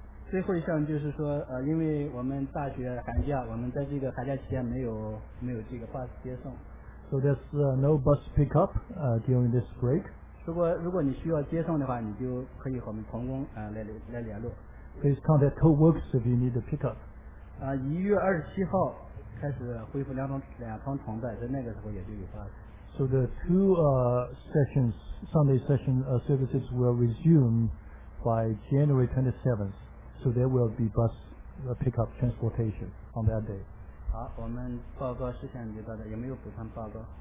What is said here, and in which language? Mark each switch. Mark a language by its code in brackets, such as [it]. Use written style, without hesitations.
[zh] 最后一项就是说因为我们大学寒假，我们在这个寒假期间没有这个 bus 接送。 [en] So there's no bus pickup during this break. [zh] 如果你需要接送的话，你就可以和我们同工来联络。 [en] Please contact co-workers if you need a pickup. [zh] 1月27号开始恢复两通同在，在那个时候也就有发。 [en] So the two sessions, Sunday session services will resume by January 27th. So there will be bus pickup transportation on that day. [zh] 好，我们报告事项就到这，有没有补充报告